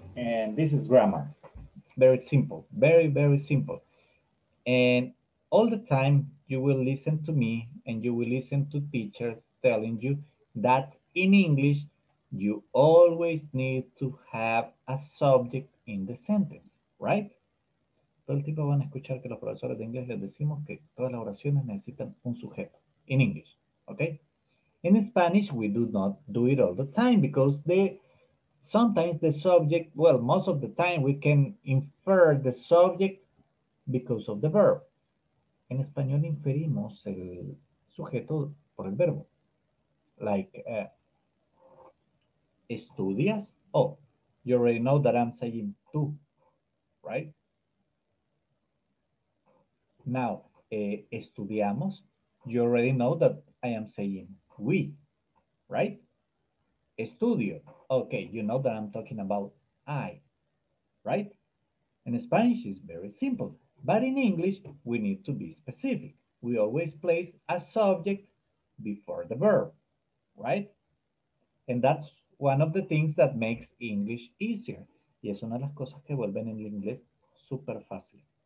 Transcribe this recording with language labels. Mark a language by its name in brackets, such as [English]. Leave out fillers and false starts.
[English] And this is grammar. It's very simple, very, very simple. And all the time you will listen to me and you will listen to teachers telling you that in English, you always need to have a subject in the sentence, right? [Spanish] Todo el tiempo van a escuchar que los profesores de inglés les decimos que todas las oraciones necesitan un sujeto [English] in English, okay? In Spanish, we do not do it all the time because sometimes the subject, well, most of the time we can infer the subject because of the verb. [Spanish] En español inferimos el sujeto por el verbo. [English] Like, estudias? Oh, you already know that I'm saying tú, right? Now, estudiamos? You already know that I am saying we, right? Estudio. Okay, you know that I'm talking about I, right? In Spanish, it's very simple. But in English, we need to be specific. We always place a subject before the verb, right? And that's one of the things that makes English easier. [Spanish] Y es una de las cosas que vuelven en el inglés súper fácil.